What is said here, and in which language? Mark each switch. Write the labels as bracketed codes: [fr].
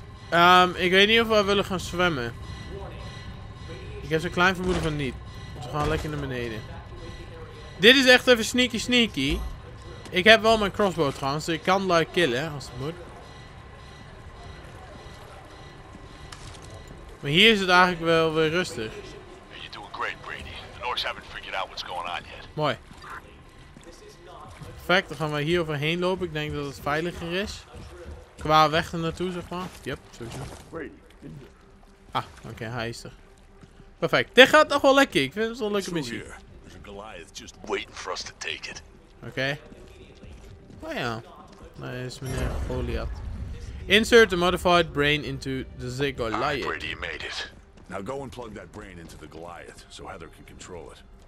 [nl] Okay. Ik weet niet of we willen gaan zwemmen. Ik heb zo'n klein vermoeden van niet. We gaan lekker naar beneden. Dit is echt even sneaky sneaky. Ik heb wel mijn crossbow trouwens, dus ik kan like killen als het moet. Maar hier is het eigenlijk wel weer rustig. [en] You're doing great, Brady. The Norks haven't figured out what's going on yet. [nl] Mooi. Perfect, dan gaan we hier overheen lopen. Ik denk dat het veiliger is. Qua weg ernaartoe, zeg maar. Yep, sowieso. Ah, oké, hij is er. Perfect. Dit gaat nog wel lekker. Ik vind het wel een leuke missie. [en] There's a Goliath just waiting for us to take it. [nl] Oké. Oh ja. Daar is meneer Goliath. [en] Insert the modified brain into the Ziggoliath. Brady, you made it. Now go and plug that brain into the Goliath, so Heather can control it.